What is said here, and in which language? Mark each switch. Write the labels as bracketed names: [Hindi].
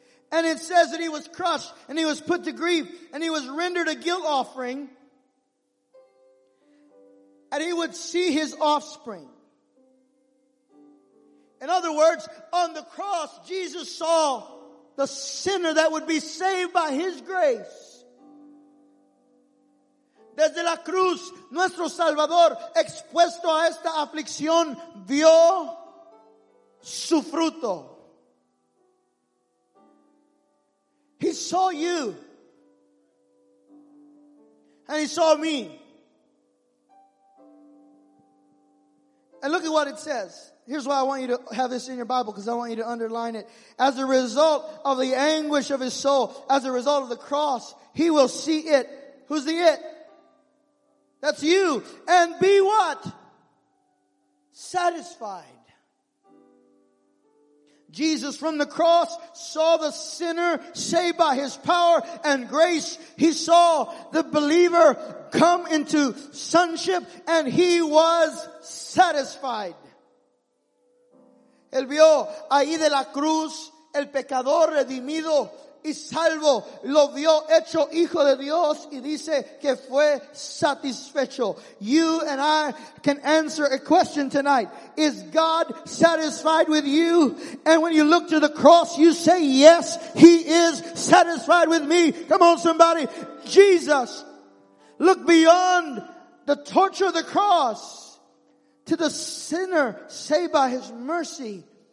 [English] And it says that he was crushed and he was put to grief and he was rendered a guilt offering. And he would see his offspring. In other words, on the cross, Jesus saw the sinner that would be saved by his grace. [Spanish] Desde la cruz, nuestro Salvador, expuesto a esta aflicción, vio su fruto. [English] He saw you. And he saw me. And look at what it says. Here's why I want you to have this in your Bible, because I want you to underline it. As a result of the anguish of his soul, as a result of the cross, he will see it. Who's the it? That's you. And be what? Satisfied. Jesus from the cross saw the sinner saved by his power and grace. He saw the believer come into sonship, and he was satisfied. [Spanish] Él vio ahí de la cruz el pecador redimido y salvo. Lo vio hecho hijo de Dios y dice que fue satisfecho. [English] You and I can answer a question tonight. Is God satisfied with you? And when you look to the cross, you say, yes, he is satisfied with me. Come on, somebody. Jesus, look beyond the torture of the cross to the sinner saved by his mercy.